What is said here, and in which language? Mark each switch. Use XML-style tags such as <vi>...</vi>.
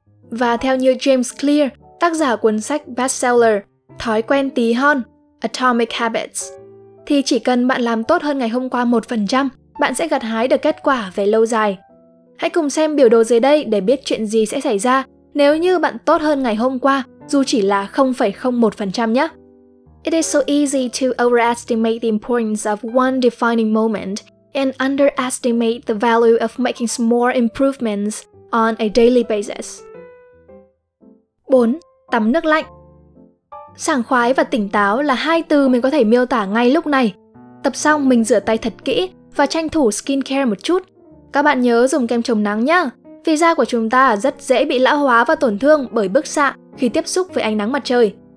<vi>Và theo như James Clear, tác giả cuốn sách bestseller Thói quen tí hon, Atomic Habits, thì chỉ cần bạn làm tốt hơn ngày hôm qua 1%, bạn sẽ gặt hái được kết quả về lâu dài. Hãy cùng xem biểu đồ dưới đây để biết chuyện gì sẽ xảy ra nếu như bạn tốt hơn ngày hôm qua, dù chỉ là 0,01% nhé.</vi> <en>It is so easy to overestimate the importance of one defining moment and underestimate the value of making small improvements on a daily basis.</en> <vi>4. Tắm nước lạnh. Sảng khoái và tỉnh táo là hai từ mình có thể miêu tả ngay lúc này. Tập xong mình rửa tay thật kỹ và tranh thủ skincare một chút. Các bạn nhớ dùng kem chống nắng nhé. vì da của chúng ta rất dễ bị lão hóa và tổn thương bởi bức xạ khi tiếp xúc với ánh nắng mặt trời.</vi>